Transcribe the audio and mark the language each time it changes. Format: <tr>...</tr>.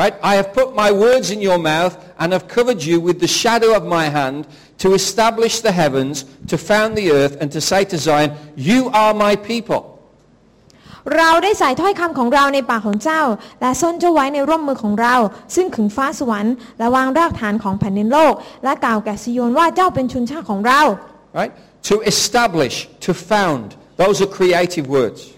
<en>Right I have put my words in your mouth and have covered you with the shadow of my hand to establish the heavens to found the earth and to say to Zion you are my people</en> <th>เราได้ใส่ถ้อยคำของเราในปากของเจ้าและซ่อนเจ้าไว้ในร่มมือของเราซึ่งขึงฟ้าสวรรค์และวางรากฐานของแผ่นดินโลกและกล่าวแก่ซิโยนว่าเจ้าเป็นชนชาติของเรา</th> <en>Right to establish to found those are creative words</en>